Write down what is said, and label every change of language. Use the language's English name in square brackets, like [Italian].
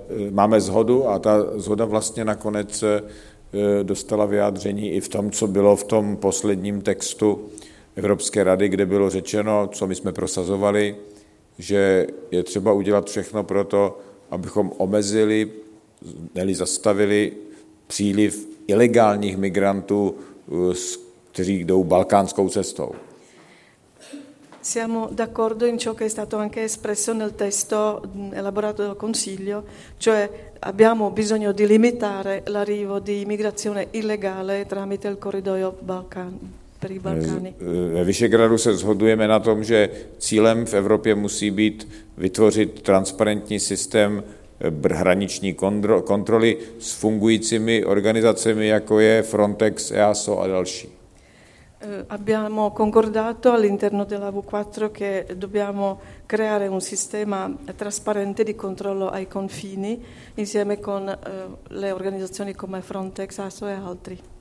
[Czech] Máme shodu a ta shoda vlastně nakonec dostala vyjádření i v tom, co bylo v tom posledním textu Evropské rady, kde bylo řečeno, co my jsme prosazovali, že je třeba udělat všechno pro to, abychom omezili, neli zastavili příliv ilegálních migrantů, kteří jdou balkánskou cestou. [Italian] Siamo d'accordo in ciò che è stato anche espresso nel testo elaborato dal Consiglio, cioè abbiamo bisogno di limitare l'arrivo di immigrazione illegale tramite il corridoio per i Balkani. [Czech] Ve Visegrádu se shodujeme na tom, že cílem v Evropě musí být vytvořit transparentní systém hraniční kontroly s fungujícími organizacemi, jako je Frontex, EASO a další. [Italian] Abbiamo concordato all'interno della V4 che dobbiamo creare un sistema trasparente di controllo ai confini insieme con le organizzazioni come Frontex, EASO e altri.